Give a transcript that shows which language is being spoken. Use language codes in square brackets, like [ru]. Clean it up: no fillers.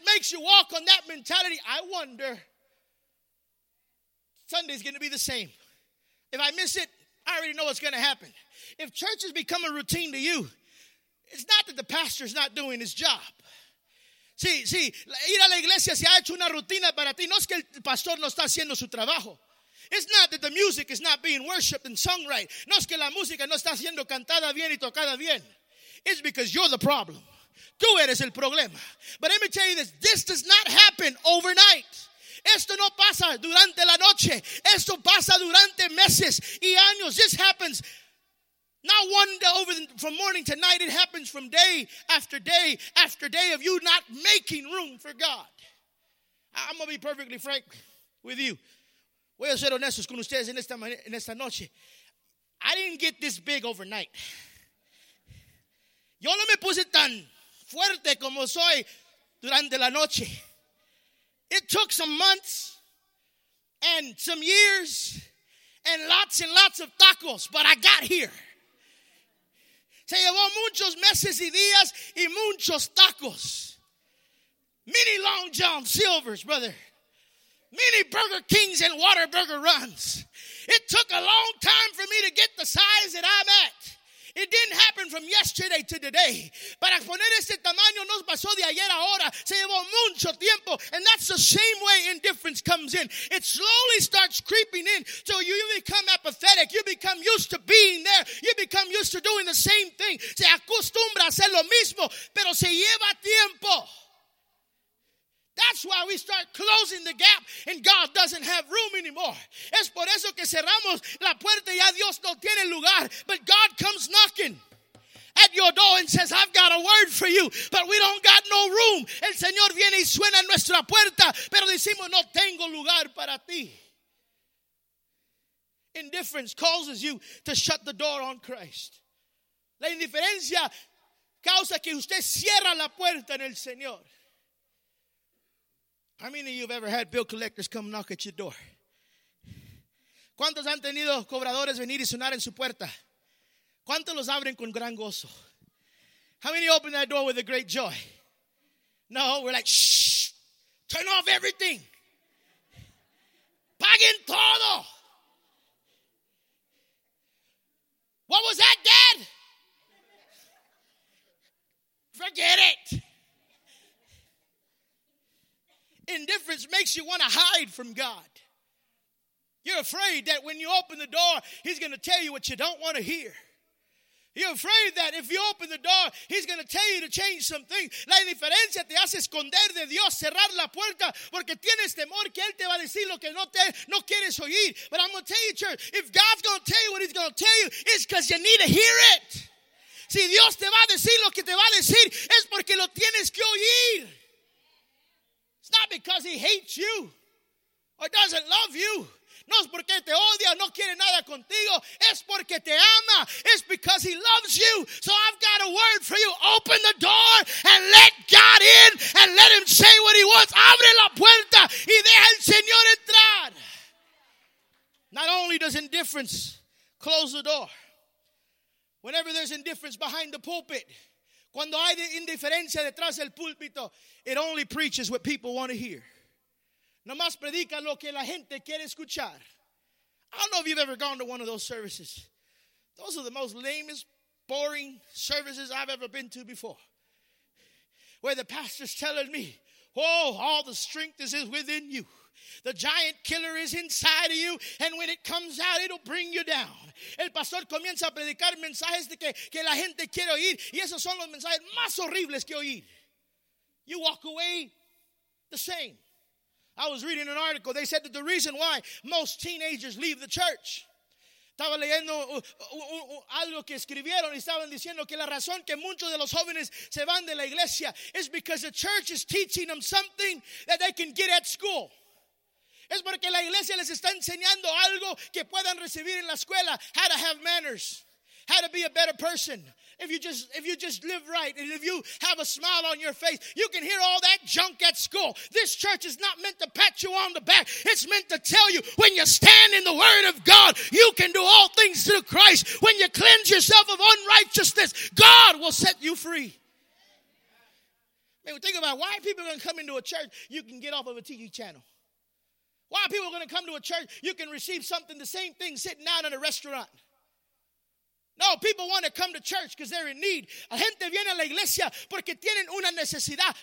[en] you walk on that mentality, I wonder, Sunday's going to be the same. If I miss it, I already know what's going to happen. If church has become a routine to you, it's not that the pastor's not doing his job. [es] Sí, ir a la iglesia se ha hecho una rutina para ti. No es que el pastor no está haciendo su trabajo. [en] It's not that the music is not being worshipped and sung right. [es] No es que la música no está siendo cantada bien y tocada bien. [en] It's because you're the problem. [es] Tú eres el problema. [en] But let me tell you this. This does not happen overnight. [es] Esto no pasa durante la noche. Esto pasa durante meses y años. [en] This happens not one day over from morning to night. It happens from day after day after day of you not making room for God. I'm going to be perfectly frank with you. [es] Voy a ser honestos con ustedes en esta noche. [en] I didn't get this big overnight. [es] Yo no me puse tan fuerte como soy durante la noche. [en] It took some months and some years and lots of tacos, but I got here. [es] Se llevó muchos meses y días y muchos tacos. [en] Many Long John Silvers, brother. Many Burger Kings and Whataburger runs. It took a long time for me to get the size that I'm at. It didn't happen from yesterday to today. [es] Para poner este tamaño nos pasó de ayer a ahora. Se llevó mucho tiempo. [en] And that's the same way indifference comes in. It slowly starts creeping in till you become apathetic. You become used to being there. You become used to doing the same thing. [es] Se acostumbra a hacer lo mismo, pero se lleva tiempo. [en] That's why we start closing the gap and God doesn't have room anymore. [es] Es por eso que cerramos la puerta y ya Dios no tiene lugar. [en] But God comes knocking at your door and says, I've got a word for you, but we don't got no room. [es] El Señor viene y suena a nuestra puerta, pero decimos, no tengo lugar para ti. [en] Indifference causes you to shut the door on Christ. [es] La indiferencia causa que usted cierra la puerta en el Señor. [en] How many of you have ever had bill collectors come knock at your door? [es] ¿Cuántos han tenido cobradores venir y sonar en su puerta? ¿Cuántos los abren con gran gozo? [en] How many open that door with a great joy? No, we're like, shh, turn off everything. [es] Paguen todo. [en] What was that, Dad? Forget it. Indifference makes you want to hide from God. You're afraid that when you open the door, he's going to tell you what you don't want to hear. You're afraid that if you open the door, he's going to tell you to change something. [es] La indiferencia te hace esconder de Dios, cerrar la puerta, porque tienes temor que él te va a decir lo que no quieres oír. [en] But I'm going to tell you, church, if God's going to tell you what he's going to tell you, it's because you need to hear it. [es] Si Dios te va a decir lo que te va a decir, es porque lo tienes que oír. [en] Not because he hates you or doesn't love you. [es] No es porque te odia, no quiere nada contigo. Es porque te ama. [en] It's because he loves you. So I've got a word for you. Open the door and let God in and let him say what he wants. [es] Abre la puerta y deja el Señor entrar. [en] Not only does indifference close the door. Whenever there's indifference behind the pulpit, [es] cuando hay indiferencia detrás del púlpito, [en] it only preaches what people want to hear. [es] Nomás predica lo que la gente quiere escuchar. [en] I don't know if you've ever gone to one of those services. Those are the most lamest, boring services I've ever been to before. Where the pastor's telling me, oh, all the strength is within you. The giant killer is inside of you, and when it comes out, it'll bring you down. [es] El pastor comienza a predicar mensajes de que la gente quiere oír, y esos son los mensajes más horribles que oír. [en] You walk away the same. I was reading an article. They said that the reason why most teenagers leave the church. [es] Estaba leyendo algo que escribieron y estaban diciendo que la razón que muchos de los jóvenes se van de la iglesia [en] is because the church is teaching them something that they can get at school. [es] Es porque la iglesia les está enseñando algo que puedan recibir en la escuela. [en] How to have manners. How to be a better person. If you just live right and if you have a smile on your face, you can hear all that junk at school. This church is not meant to pat you on the back. It's meant to tell you when you stand in the word of God, you can do all things through Christ. When you cleanse yourself of unrighteousness, God will set you free. Man, think about why are people going to come into a church you can get off of a TV channel? Why are people going to come to a church you can receive something, the same thing sitting out in a restaurant? No, people want to come to church because they're in need. [es] La gente viene a la iglesia porque tienen una necesidad.